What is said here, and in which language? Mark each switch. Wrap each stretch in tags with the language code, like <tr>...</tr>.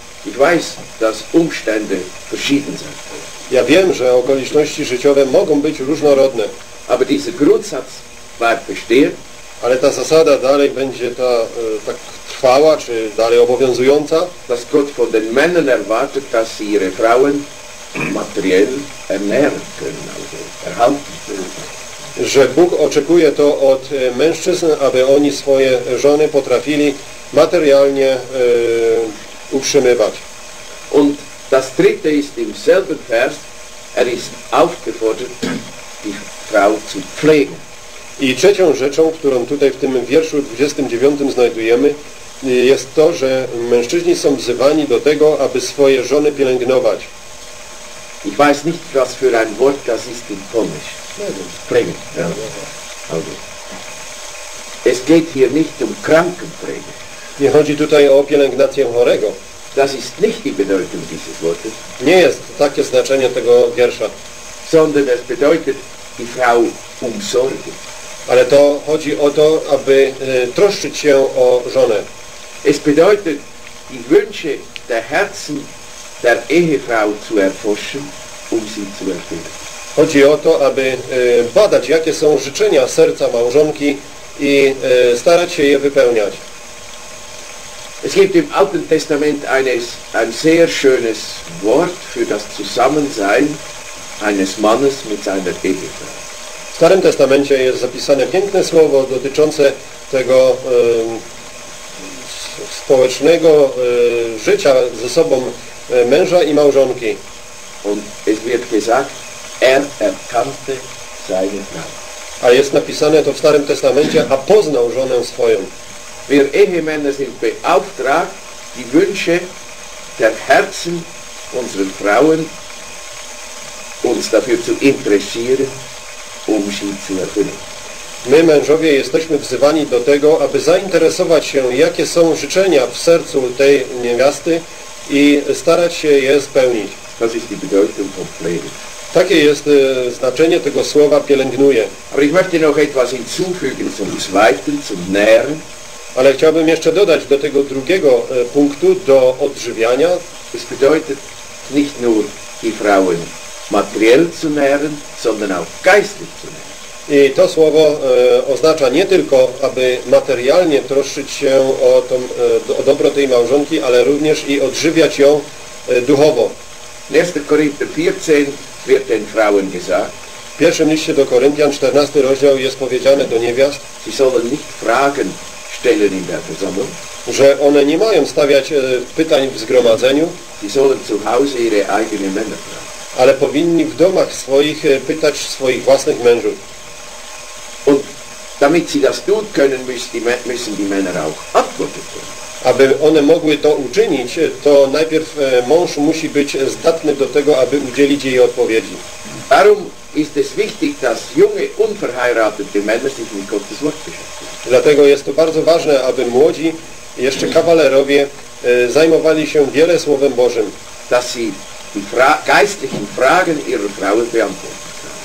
<de>Ich weiß, dass Umstände verschieden sind.</de> <pl>Ja wiem, że okoliczności życiowe mogą być różnorodne.</pl> <de>Aber dieser Grundsatz bleibt bestehen.</de> <pl>Ale ta zasada dalej będzie ta tak trwała, czy dalej obowiązująca.</pl> <de>Dass Gott von den Männern erwartet, dass sie ihre Frauen materiell ernähren können, also erhalten können.</de> <pl>Że Bóg oczekuje to od mężczyzn, aby oni swoje żony potrafili materialnie utrzymywać.</pl> <de>Und das dritte ist im selben Vers, er ist aufgefordert, die Frau zu pflegen.</de> <pl>I trzecią rzeczą, którą tutaj w tym wierszu 29 znajdujemy, jest to, że mężczyźni są wzywani do tego, aby swoje żony pielęgnować.</pl> <de>Ich weiß nicht, was für ein Wort das ist in Polnisch. Pflegen. Es geht hier nicht um Krankenpflege.</de> <pl>Nie chodzi tutaj o pielęgnację chorego.</pl> <de>Das ist nicht die Bedeutung dieses Wortes.</de> <pl>Nie jest takie znaczenie tego wiersza.</pl> <de>Sondern es bedeutet die Frau umsorgen.</de> <pl>Ale to chodzi o to, aby troszczyć się o żonę.</pl> <de>Es bedeutet die Wünsche der Herzen der Ehefrau zu erforschen, um sie zu erfüllen.</de> <pl>Chodzi o to, aby badać, jakie są życzenia serca małżonki i starać się je wypełniać.</pl> <de>Es gibt im Alten Testament ein sehr schönes Wort für das Zusammensein eines Mannes mit seiner Ehefrau.</de> <pl>W Starym Testamencie jest zapisane piękne słowo dotyczące tego społecznego życia ze sobą męża i małżonki.</pl> <de>Und es wird gesagt, er erkannte seine Frau.</de> <pl>A jest napisane to w Starym Testamencie, a poznał żonę swoją.</pl> <de>Wir Ehemänner sind beauftragt, die Wünsche der Herzen unserer Frauen uns dafür zu interessieren, um sie zu erfüllen.</de> <pl>My, mężowie, jesteśmy wzywani do tego, aby zainteresować się, jakie są życzenia w sercu tej niewiasty i starać się je spełnić.</pl> <de>Das ist die Bedeutung von Pflege.</de> <pl>Takie jest znaczenie tego słowa pielęgnuje.</pl> <de>Aber ich möchte noch etwas hinzufügen zum zweiten, zum Nähren.</de> <pl>Ale chciałbym jeszcze dodać do tego drugiego punktu, do odżywiania.</pl> <de>Es bedeutet nicht nur die Frauen materiell zu nähren, sondern auch geistlich zu nähren.</de> <pl>I to słowo oznacza nie tylko, aby materialnie troszczyć się o, o dobro tej małżonki, ale również i odżywiać ją duchowo.</pl> <de>W 1 Korinther 14 wird den Frauen gesagt.</de> <pl>W pierwszym liście do Koryntian, 14 rozdział, jest powiedziane do niewiast.</pl> <de>Sie sollen nicht fragen, stellen in der Versammlung.</de> <pl>Że one nie mają stawiać pytań w zgromadzeniu.</pl> <de>Sie sollen zu Hause ihre eigenen Männer fragen.</de> <pl>Ale powinni w domach swoich pytać swoich własnych mężów.</pl> <de>Und damit sie das tun können, müssen die Männer auch antworten können.</de> <pl>Aby one mogły to uczynić, to najpierw mąż musi być zdatny do tego, aby udzielić jej odpowiedzi.</pl> <de>Darum ist es wichtig, dass junge, unverheiratete Männer sich mit Gottes Wort beschäftigen.</de> <pl>Dlatego jest to bardzo ważne, aby młodzi, jeszcze kawalerowie, zajmowali się wiele Słowem Bożym.</pl> <de>Dass sie die geistlichen Fragen ihrer Frauen beantworten.</de>